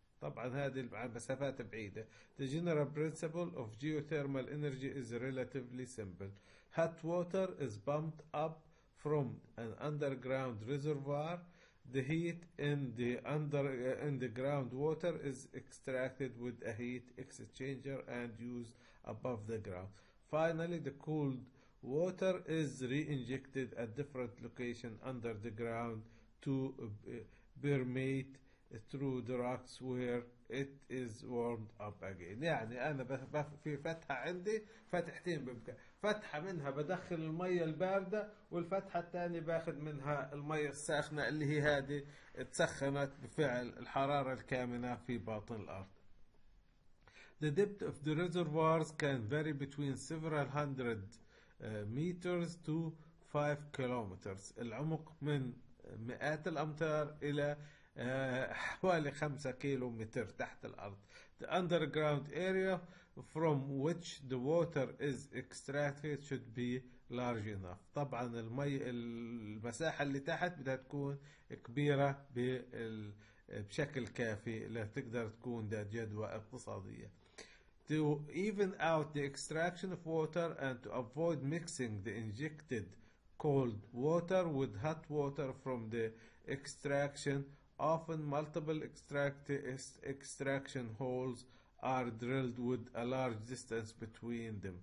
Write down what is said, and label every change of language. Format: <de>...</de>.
<ar>طبعا هذه المسافات بعيدة.</ar> <en>The general principle of geothermal energy is relatively simple. Hot water is pumped up from an underground reservoir. The heat in the ground water is extracted with a heat exchanger and used above the ground. Finally, the cooled water is re-injected at different location under the ground to permeate through the rocks where it is warmed up again.</en> <ar>يعني انا في فتحه عندي، فتحتين ببقى، فتحه منها بدخل الميه البارده، والفتحه الثانيه باخذ منها الميه الساخنه اللي هي هذه تسخنت بفعل الحراره الكامنه في باطن الارض.</ar> <en>The depth of the reservoirs can vary between several hundred meters to 5 kilometers.</en> <ar>العمق من مئات الامتار الى حوالي 5 كيلو متر تحت الأرض.</ar> <en>The underground area from which the water is extracted should be large enough.</en> <ar>طبعا المي المساحة اللي تحت بدها تكون كبيرة بشكل كافي لتقدر تكون ذات جدوى اقتصادية.</ar> <en>To even out the extraction of water and to avoid mixing the injected cold water with hot water from the extraction, often multiple extraction holes are drilled with a large distance between them.</en>